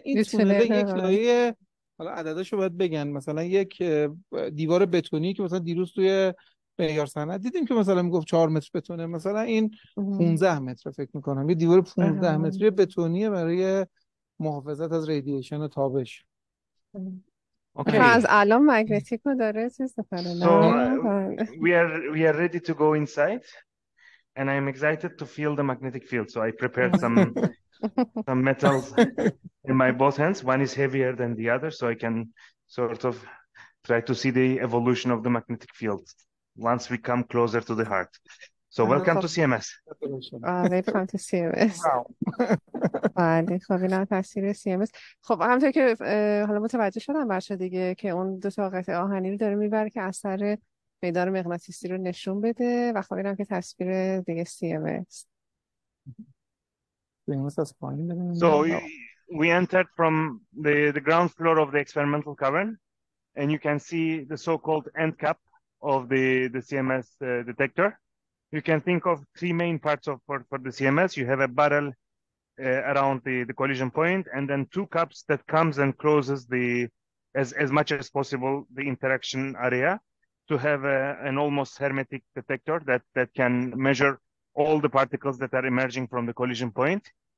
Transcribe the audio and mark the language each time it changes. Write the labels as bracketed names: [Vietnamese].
[Persian] این تونل یک لایه، حالا عدداشو باید بگن، مثلا یک دیوار بتونی که مثلا دیروز توی معیار سند دیدیم که مثلا میگفت 4 متر بتونه، مثلا این 15 متر فکر میکنم، یه دیوار 15 متری بتونیه برای محافظت از ریدییشن و تابش. اوکی از الان مگنتیکو داره استفاده نه. [English] We are ready to go inside and I'm excited to feel the magnetic field, so I prepared some metals in my both hands. One is heavier than the other, so I can sort of try to see the evolution of the magnetic field once we come closer to the heart. So welcome to CMS. Welcome to CMS. [Persian] بله خب اینا تاثیر CMS. خب همونطور که حالا متوجه شدم بچه دیگه که اون دو تا قطع آهنی رو داره میبره که اثر میدان مغناطیسی رو نشون بده، و خب اینم که تصویر دیگه CMS. [English] So we entered from the ground floor of the experimental cavern, and you can see the so-called end cap of the CMS detector. You can think of three main parts of for the CMS. You have a barrel around the collision point, and then two cups that comes and closes the as much as possible the interaction area to have an almost hermetic detector that can measure all the particles that are emerging from the collision point.